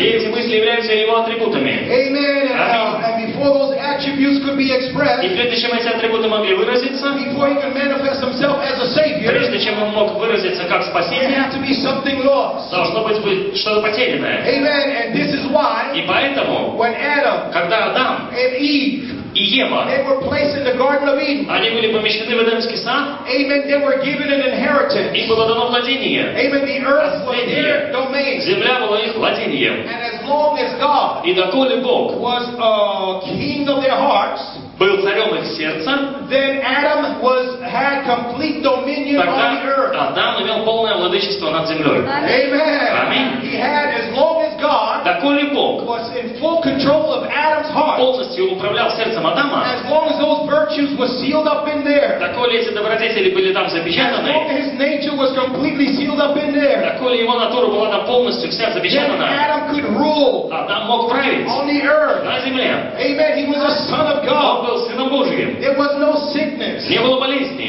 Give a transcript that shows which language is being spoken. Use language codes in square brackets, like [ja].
[ru] И эти мысли являются его атрибутами. [en] Amen. And before those attributes could be expressed, [ru] и прежде чем эти атрибуты могли выразиться, [en] before he could manifest himself as a savior, [ru] прежде чем он мог выразиться как спасение, [en] had to be something lost. [ru] Должно быть что-то потерянное. [en] Amen. And this is why, [ru] и поэтому, [en] when Adam, [ru] когда Адам [en] and Eve, [ru] и Ева, [en] they were placed in the Garden of Eden. [ru] Они были помещены в Эдемский сад. [en] Amen. They were given an inheritance. [ru] Им было дано владение. [en] Amen. The earth was their domain. [ru] Земля была их владением. [en] And as long as God, [ru] и доколе Бог, [en] was a king of their hearts, [ru] был царем их сердца, [en] then Adam was had complete dominion on the earth. [ru] Адам имел полное владычество над землей. [en] Amen. [ru] Аминь. [en] He had as long as God, [ru] доколе Бог, [en] was in full control of Adam's heart, [ru] полностью управлял сердцем. [en] As long as those virtues were sealed up in there, [ru] доколе эти добродетели были там запечатаны, [en] as long as his nature was completely sealed up in there, [ru] доколе его натура была там полностью вся запечатана, [en] then Adam could rule, [ru] Адам мог править, [en] on the earth, [ru] на земле, [en] amen, he was a son of God, [ru] он был сыном Божьим, [en] there was no sickness, [ru] не было болезни,